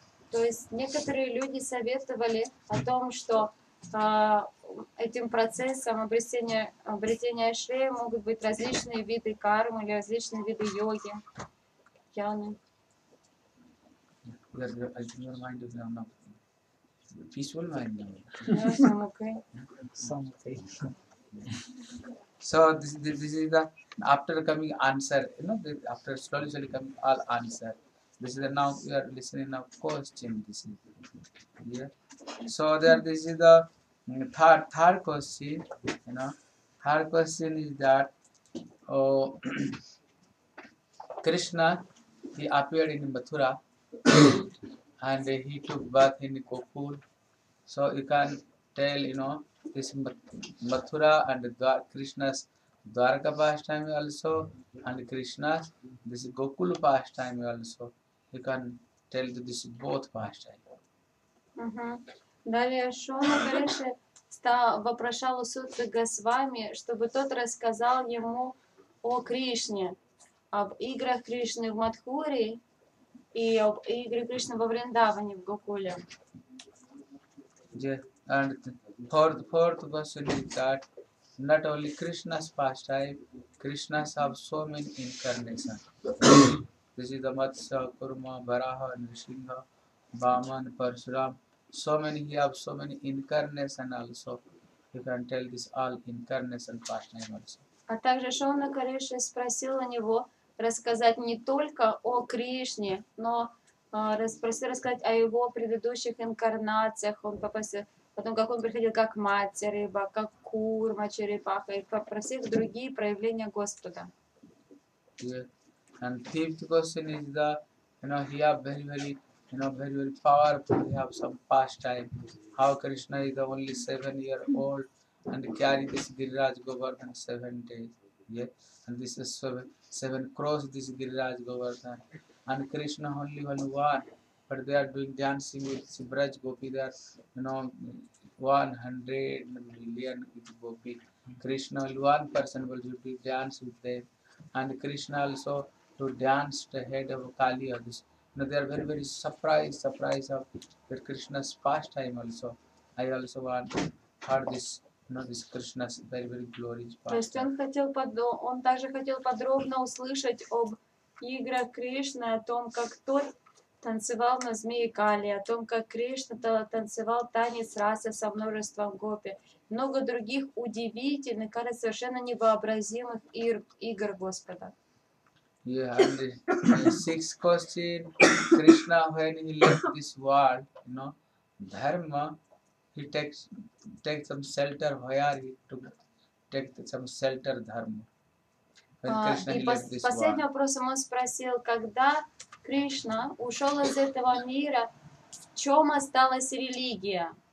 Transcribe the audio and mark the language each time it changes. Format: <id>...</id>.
<ru>То есть некоторые люди советовали о том, что этим процессом обретения шреи могут быть различные виды кармы или различные виды йоги, яны.</ru> <en>Your mind is now not peaceful mind now. Yes, I'm okay. Some okay. So this is the after coming answer, you know, the after slowly coming all answer. This is the now you are listening now question. This is here. So there, this is the third question, you know. Third question is that Krishna, he appeared in Mathura and he took birth in Gokul. So you can tell, you know, this Mathura and Krishna's Dwarka pastime also, and Krishna's this Gokul pastime also. You can tell this both pastime.</en> <ru>Далее Шона Гриши вопрошал у Сутры Госвами, чтобы тот рассказал ему о Кришне, об играх Кришны в Матхуре и об играх Кришны во Вриндаване в Гокуле.</ru> <en>Yeah, and fourth question is that not only Krishna's pastime, Krishna has so many incarnations. This is the Matsya, Kurma, Varaha, Nrisimha, Vaman, Parshuram. So many, he have so many incarnation also. You can tell this all incarnation pastime also.</en> <ru>А также Шона Кариши спросил у него рассказать не только о Кришне, но спросил рассказать о его предыдущих инкарнациях. Он попросил, потом как он приходил как мать рыба, как курма, черепаха, и попросил другие проявления Господа.</ru> <en>Yeah. And fifth question is the, you know, he have very you know, very, very powerful, he have some pastime. How Krishna is the only 7 year old and carry this Giriraj Govardhan 7 days. Yeah. And this is seven cross this Giriraj Govardhan. And Krishna only one, but they are doing dancing with Braj Gopi, they are, you know, 100 million with Gopi. Krishna only one person will be dance with them. And Krishna also to dance the head of Kali or this. Now they are very, very surprised of that Krishna's pastime also. I also want heard this, you know, this Krishna's very, very glorious pastime.</en> <ru>Игра Кришны, о том, как тот танцевал на змее Кали, о том, как Кришна танцевал танец расы со множеством гопи. Много других удивительных, кажется, совершенно невообразимых игр Господа.</ru> <en>Yeah, and sixth question. Krishna, when he left this world, you know, dharma, he takes some shelter, where to take some shelter dharma.</en> <ru>И последний вопрос он спросил, когда Кришна ушел из этого мира, в чем осталась религия?</ru>